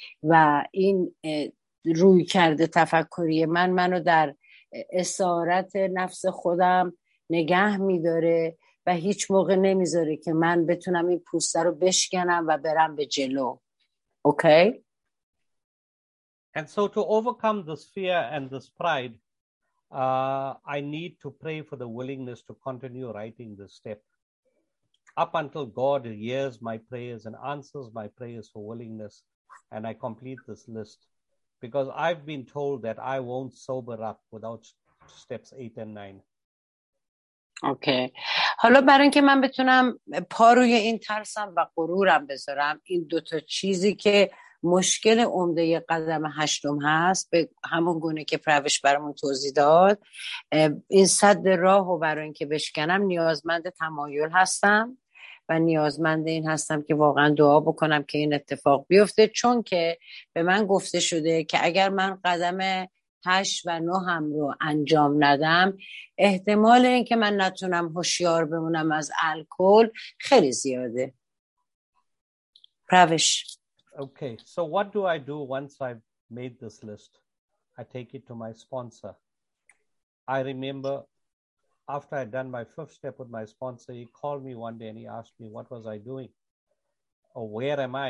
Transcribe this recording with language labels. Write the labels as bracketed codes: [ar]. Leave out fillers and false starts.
[fa] و این روی کرده تفکری من منو در اسارت نفس خودم نگه میداره و هیچ موقع نمیذاره که من بتونم این پوسته رو بشکنم و برم به جلو. [en] Okay okay? And so to overcome this fear and this pride I need to pray for the willingness to continue writing this step. Up until God hears my prayers and answers my prayers for willingness and I complete this list. Because I've been told that I won't sober up without steps 8 and 9. Okay. [fa] حالا برای اینکه من بتونم پا روی این ترسم و غرورم بذارم، این دوتا چیزی که مشکل عمده قدم هشتم هست، به همون گونه که پروش برامون توضیح داد، این سد راه و برای اینکه بشکنم نیازمند تمایل هستم و نیازمند این هستم که واقعا دعا بکنم که این اتفاق بیفته، چون که به من گفته شده که اگر من قدم 8 و 9 هم رو انجام ندم، احتمال این که من نتونم هوشیار بمونم از الکل خیلی زیاده. پروش. [en] Okay, so what do I do once I've made this list? I take it to my sponsor. I remember after I'd done my fifth step with my sponsor, he called me one day and he asked me, what was I doing? Or where am I?